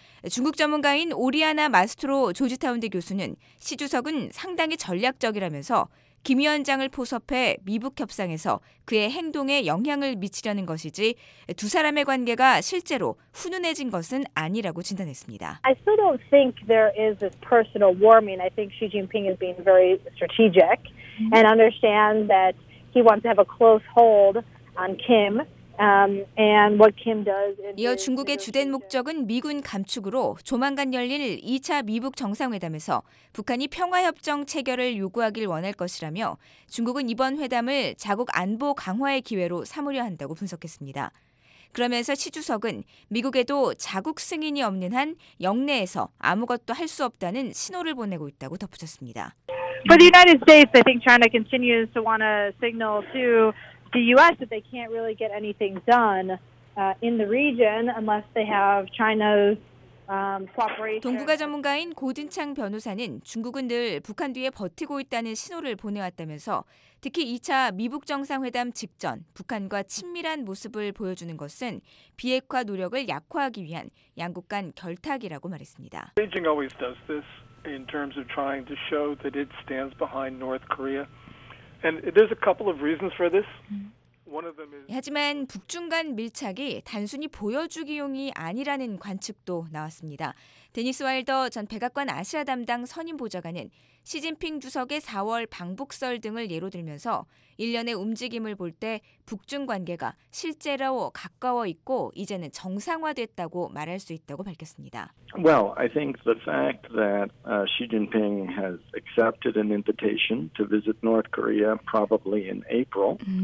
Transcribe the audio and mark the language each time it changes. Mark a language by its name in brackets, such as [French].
[Korean] 중국 전문가인 오리아나 마스트로 조지타운대 교수는 시 주석은 상당히 전략적이라면서 김 위원장을 포섭해 미북 협상에서 그의 행동에 영향을 미치려는 것이지 두 사람의 관계가 실제로 훈훈해진 것은 아니라고 진단했습니다. [English] I still don't think there is this personal warming. I think Xi Jinping is being very strategic and understands that he wants to have a close hold on Kim. And what Kim does. [Korean] 이어 중국의 주된 목적은 미군 감축으로 조만간 열릴 2차 미북 정상회담에서 북한이 평화협정 체결을 요구하길 원할 것이라며 중국은 이번 회담을 자국 안보 강화의 기회로 삼으려 한다고 분석했습니다. 그러면서 시 주석은 미국에도 자국 승인이 없는 한 영내에서 아무것도 할 수 없다는 신호를 보내고 있다고 덧붙였습니다. [English] For the United States, I think China continues to want to signal to the U.S. that they can't really get anything done in the region unless they have China's [Korean] 동북아 전문가인 고든창 변호사는 중국은 늘 북한 뒤에 버티고 있다는 신호를 보내왔다면서 특히 2차 미북 정상회담 직전 북한과 친밀한 모습을 보여주는 것은 비핵화 노력을 약화하기 위한 양국 간 결탁이라고 말했습니다. [English] Beijing always does this in terms of trying to show that it stands behind North Korea. And there's a couple of reasons for this. [Korean] 하지만 북중 간 밀착이 단순히 보여주기용이 아니라는 관측도 나왔습니다. 데니스 와일더 전 백악관 아시아 담당 선임 보좌관은 시진핑 주석의 4월 방북설 등을 예로 들면서 일련의 움직임을 볼 때 북중 관계가 실제로 가까워 있고 이제는 정상화됐다고 말할 수 있다고 밝혔습니다. [English] Well, I think the fact that Xi Jinping has accepted an invitation to visit North Korea probably in April.